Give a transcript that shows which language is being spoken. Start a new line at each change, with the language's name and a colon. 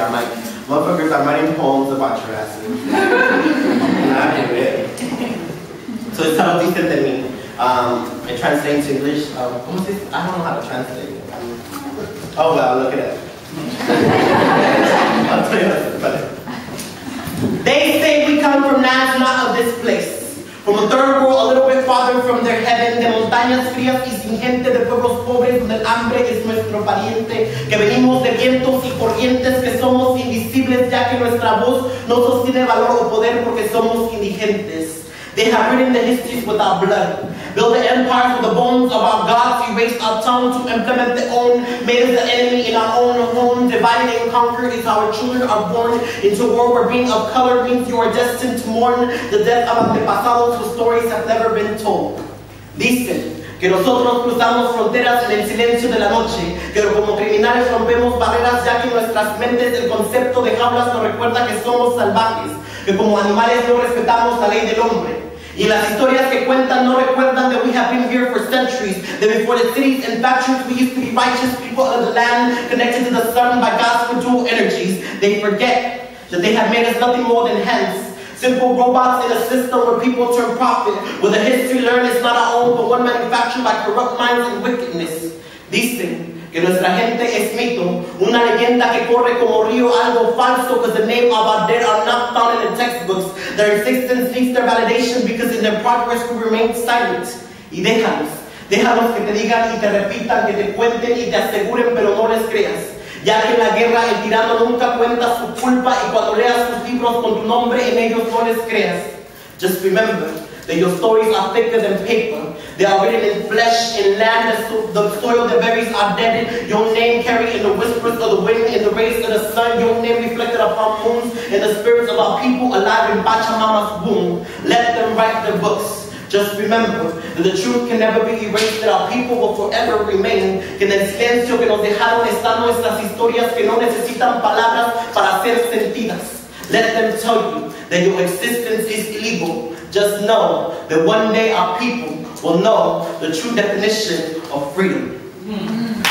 English: I'm like, motherfuckers, I'm writing poems about your ass. And so it's how deep into me. It translates to English. What was this? I don't know how to translate it. Oh, well, look at it. I'll tell you what. They say we come from Nazma of this place. From a third world a little bit farther from their heaven.
Spanish: De montañas frías y sin gente, de pueblos pobres donde el hambre es nuestro pariente. Que venimos de vientos y corrientes, que somos invisibles ya que nuestra voz no sostiene valor o poder porque somos indigentes.
English: They have written the histories with our blood. Build the empires with the bones of our gods, erased our tongue to implement their own, made us the enemy in our own home, divided and conquered as our children are born into a world where being of color means you are destined to mourn the death of antepasados whose stories have never been told.
Spanish: Dicen que nosotros cruzamos fronteras en el silencio de la noche, pero como criminales rompemos barreras ya que en nuestras mentes el concepto de jaulas nos recuerda que somos salvajes, que como animales no respetamos la ley del hombre. Y las historias que cuentan no recuerdan
English: that we have been here for centuries, that before the cities and factories we used to be righteous people of the land connected to the sun by God's dual energies. They forget that they have made us nothing more than hens, simple robots in a system where people turn profit, where the history learned is not our own but one manufactured by corrupt minds and wickedness.
Spanish: Dicen que nuestra gente es mito, una leyenda que corre como río, algo falso,
English: because the name of our dead are not found in the textbooks. Their existence needs their validation because in their progress we remain silent.
Spanish: Y déjalos, déjalos que te digan y te repitan, que te cuenten y te aseguren, pero no les creas. Ya que en la guerra el tirano nunca cuenta su culpa y cuando leas sus libros con tu nombre en ellos no les creas.
English: Just remember that your stories are thicker than paper. They are written in flesh and land, the soil that buries our dead. Your name carried in the whispers of the wind, in the rays of the sun. Your name reflected upon moons, in the spirits of our people alive in Pachamama's womb. Let them write their books. Just remember that the truth can never be erased, that our people will forever remain.
Spanish: Que en el silencio que nos dejaron están nuestras historias que no necesitan palabras para ser sentidas.
English: Let them tell you that your existence is illegal. Just know that one day our people will know the true definition of freedom. Mm-hmm.